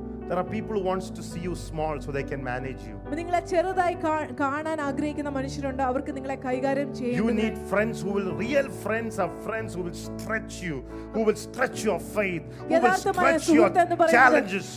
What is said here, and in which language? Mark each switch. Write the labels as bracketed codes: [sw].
[en] There are people who wants to see you small so they can manage you. [ml] നിങ്ങളെ ചെറുതായി കാണാൻ ആഗ്രഹിക്കുന്ന മനുഷ്യരുണ്ട്, അവർക്ക് നിങ്ങളെ കൈകാര്യം ചെയ്യാൻ. [en] You need friends who will, real friends are friends who will stretch you, who will stretch your faith, who will stretch your challenges.